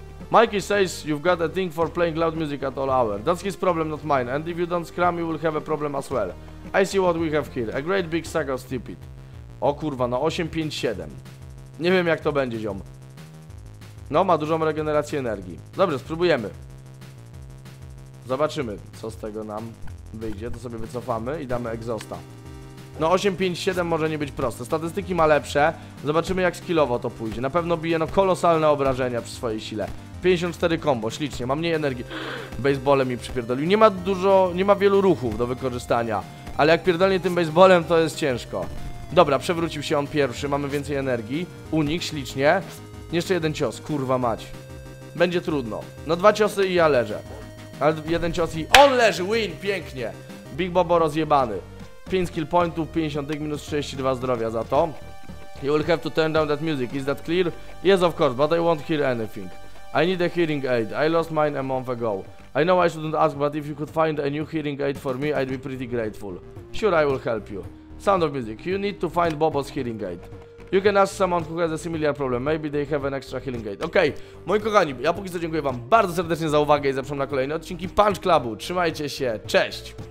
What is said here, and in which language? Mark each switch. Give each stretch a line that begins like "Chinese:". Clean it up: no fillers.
English: Mikey says you've got a thing for playing loud music at all hours. That's his problem, not mine. And if you don't scram, you will have a problem as well. I see what we have here. A great big sack of stupid.
Polish: O kurwa, no 857. Nie wiem jak to będzie, ziom. No, ma dużą regenerację energii. Dobrze, spróbujemy. Zobaczymy, co z tego nam wyjdzie. To sobie wycofamy i damy egzosta. No 857 może nie być proste. Statystyki ma lepsze. Zobaczymy jak skillowo to pójdzie. Na pewno bije no kolosalne obrażenia przy swojej sile. 54 combo, ślicznie, ma mniej energii. Baseballem mi przypierdolił. Nie ma dużo, nie ma wielu ruchów do wykorzystania. Ale jak pierdolnie tym baseballem, to jest ciężko. Dobra, przewrócił się on pierwszy. Mamy więcej energii. Unik, ślicznie. Jeszcze jeden cios, kurwa mać. Będzie trudno. No dwa ciosy i ja leżę. Ale jeden cios i on leży, win, pięknie. Big Bobo rozjebany. 5 skill pointów, 50 minus 32 zdrowia za to.
English: You will have to turn down that music, is that clear? Yes, of course, but I won't hear anything. I need a hearing aid, I lost mine a month ago. I know I shouldn't ask, but if you could find a new hearing aid for me, I'd be pretty grateful. Sure, I will help you. Sound of music, you need to find Bobo's hearing aid. You can ask someone who has a similar problem, maybe they have an extra healing aid. Okej, okay.
Polish: Moi kochani, ja póki co dziękuję wam bardzo serdecznie za uwagę i zapraszam na kolejne odcinki Punch Clubu. Trzymajcie się, cześć!